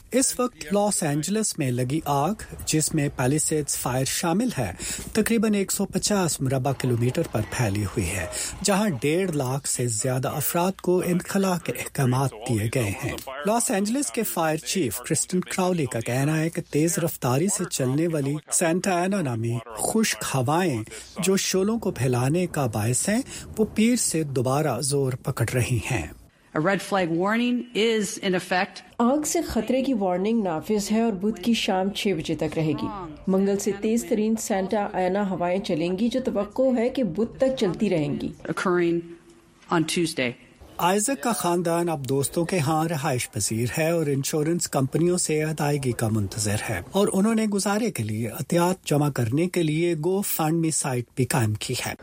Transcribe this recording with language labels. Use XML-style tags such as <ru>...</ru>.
<ur>اس وقت Los Angeles میں لگی آگ جس میں پیلیسیڈز فائر شامل ہے تقریباً 150 مربع کلومیٹر پر پھیلی ہوئی ہے, جہاں 1.5 لاکھ سے زیادہ افراد کو انخلا کے احکامات دیے گئے ہیں. لاس اینجلس کے فائر چیف کرسٹن کراولی کا کہنا ہے کہ تیز رفتاری سے چلنے والی سینٹا اینا نامی خشک ہوائیں جو شولوں کو پھیلانے کا باعث ہیں وہ پیر سے دوبارہ زور پکڑ رہی ہیں.</ur> <en>A red flag warning is in effect.</en> <ur>آگ سے خطرے کی وارننگ نافذ ہے اور بدھ کی شام 6 بجے تک رہے گی. منگل سے تیز ترین سینٹا اینا ہوائیں چلیں گی جو توقع ہے کہ بدھ تک چلتی رہیں گی. آئزک کا خاندان اب دوستوں کے ہاں رہائش پذیر ہے اور انشورنس کمپنیوں سے ادائیگی کا منتظر ہے, اور انہوں نے گزارے کے لیے احتیاط جمع کرنے کے لیے گو فنڈ می سائٹ بھی قائم کی ہے.</ur>